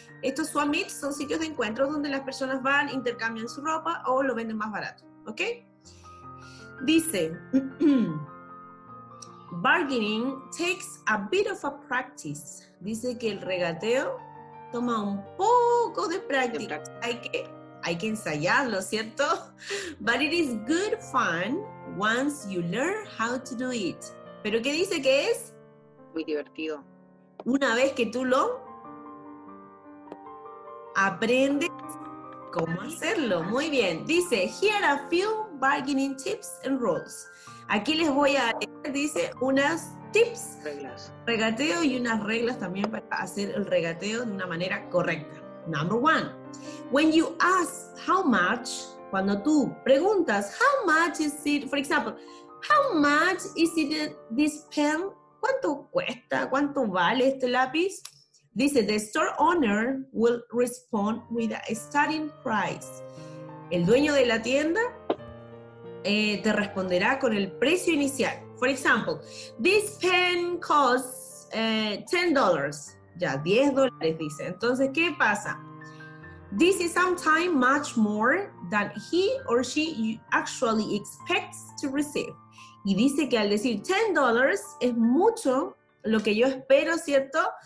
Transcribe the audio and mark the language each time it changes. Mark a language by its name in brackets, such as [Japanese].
[Spanish] Estos swap meets son sitios de encuentros donde las personas van, intercambian su ropa o lo venden más barato, ¿ok? Dice, [English] bargaining takes a bit of a practice. [Spanish] Dice que el regateo toma un poco de práctica. Hay que ensayarlo, ¿cierto? [English] But it is good fun once you learn how to do it. [Spanish] ¿Pero qué dice que es? Muy divertido. Una vez que tú lo aprendes cómo hacerlo. Muy bien. Dice, [English] here are a few bargaining tips and rules. [Spanish] Aquí les voy a leer, dice, unas tips. Reglas. Regateo y unas reglas también para hacer el regateo de una manera correcta. [English] Number one. When you ask how much, [Spanish] cuando tú preguntas [English] how much is it, for example, how much is it this pen? [Spanish] ¿Cuánto cuesta? ¿Cuánto vale este lápiz? Dice, [English] the store owner will respond with a starting price. [Spanish] El dueño de la tienda te responderá con el precio inicial. [English] For example, this pen costs $10. [Spanish] Ya, $10, dice. Entonces, ¿qué pasa? [English] This is sometimes much more than he or she actually expects to receive. [Spanish] Y dice que al decir $10 es mucho lo que yo espero, ¿cierto?